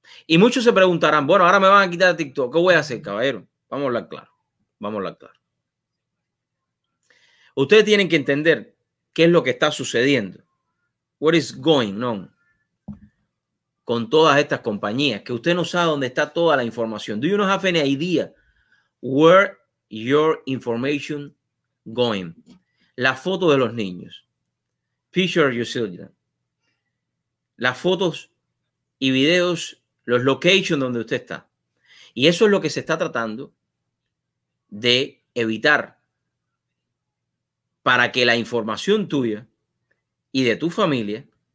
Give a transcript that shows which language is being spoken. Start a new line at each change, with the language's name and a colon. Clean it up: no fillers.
Spanish: Y muchos se preguntarán, bueno, ahora me van a quitar TikTok. ¿Qué voy a hacer, caballero? Vamos a hablar claro. Ustedes tienen que entender qué es lo que está sucediendo.
English: What is going on?
Spanish: Con todas estas compañías, que usted no sabe dónde está toda la información.
English: Do you not have any idea where your information going?
Spanish: la foto de los niños.
English: Picture your children.
Spanish: Las fotos y videos, los locations donde usted está. Y eso es lo que se está tratando de evitar para que la información tuya y de tu familia.